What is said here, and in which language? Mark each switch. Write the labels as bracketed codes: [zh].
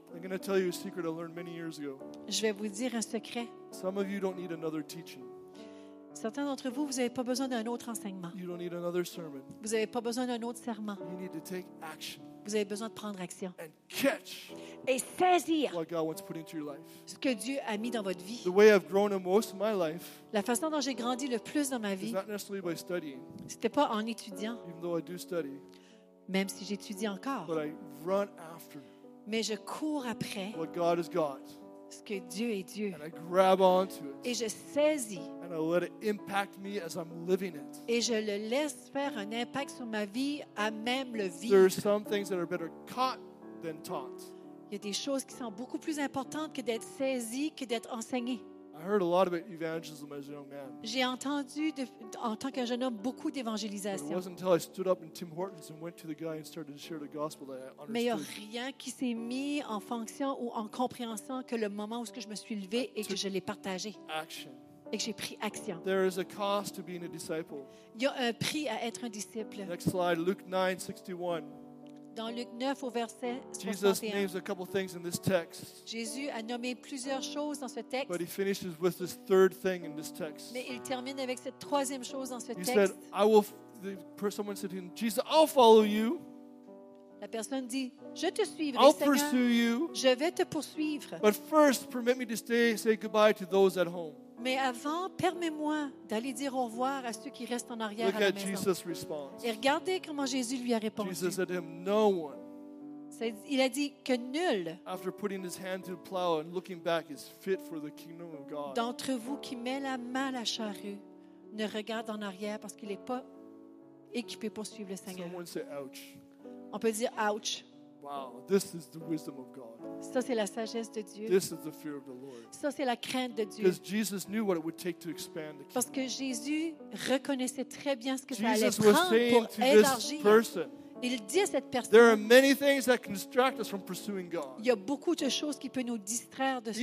[en] I'm going to tell you a secret I learned many years ago. [fr] Je vais vous dire un secret. [en] Some of you don't need another teaching. [fr] Certains d'entre vous, vous n'avez pas besoin d'un autre enseignement. [en] You don't need another sermon. [fr] Vous n'avez pas besoin d'un autre serment. [en] You need to take action. [fr] Vous avez besoin de prendre action. [en] And catch [fr] et saisir [en] what God wants to put into your life. [fr] Ce que Dieu a mis dans votre vie. [en] The way I've grown the most in my life, [fr] la façon dont j'ai grandi le plus dans ma vie, [en] it's not necessarily by studying, [fr] c'était pas en étudiant, [en] even though I do study, [fr] même si j'étudie encore. [en] But I run after [fr] mais je cours après [en] what God is God. [fr] Ce que Dieu est Dieu. [en] And I grab onto it. [fr] Et je saisis. [en] And I let it impact me as I'm living it. [fr] Et je le laisse faire un impact sur ma vie à même le vivre. [en] There are some things that are better caught than taught. [fr] Il y a des choses qui sont beaucoup plus importantes que d'être saisies, que d'être enseignées. [en] I heard a lot about evangelism as a young man. [fr] J'ai entendu en tant qu'un jeune homme beaucoup d'évangélisation. [en] It wasn't until I stood up in Tim Hortons and went to the guy and started to share the gospel that I understood. [fr] Mais il n'y a rien qui s'est mis en fonction ou en compréhension que le moment où je me suis levé et que je l'ai partagé. [en] Action. [fr] Et que j'ai pris action. [en] There is a cost to being a disciple. [fr] Il y a un prix à être un disciple. [en] Next slide, Luke 9, 61. [fr] Dans Luc 9, au verset 61, [en] Jesus names a couple things in this text. [fr] Jésus a nommé plusieurs choses dans ce texte. [en] But he finishes with this third thing in this text. [fr] Mais il termine avec cette troisième chose dans ce texte. [en] He said, I will, someone said to him, Jesus, I'll follow you. [fr] La personne dit, je te suivrai, [en] I'll [fr] Seigneur. [en] Pursue you. [fr] Je vais te poursuivre. [en] But first, permit me to say goodbye to those at home. [fr] Mais avant, permets-moi d'aller dire au revoir à ceux qui restent en arrière [en] look [fr] à la maison. [en] Jesus' response. [fr] Et regardez comment Jésus lui a répondu. [en] Jesus said to him, no one. [fr] Il a dit que nul. [en] After putting his hand to the plow and looking back, is fit for the kingdom of God. [fr] D'entre vous qui met la main à la charrue, ne regarde en arrière parce qu'il n'est pas équipé pour suivre le Seigneur. [en] Someone say, ouch. [fr] On peut dire ouch. [en] Wow, this is the wisdom of God. [fr] Ça, c'est la sagesse de Dieu. [en] This is the fear of the Lord. [fr] Ça, c'est la crainte de Dieu. [en] Because Jesus knew what it would take to expand the kingdom. [fr] Parce que Jésus reconnaissait très bien ce que [en] Jesus [fr] ça allait prendre pour élargir. [en] This person, [fr] il dit à cette personne, [en] there are many things that can distract us from pursuing God. [fr] Il y a beaucoup de choses qui peuvent nous distraire de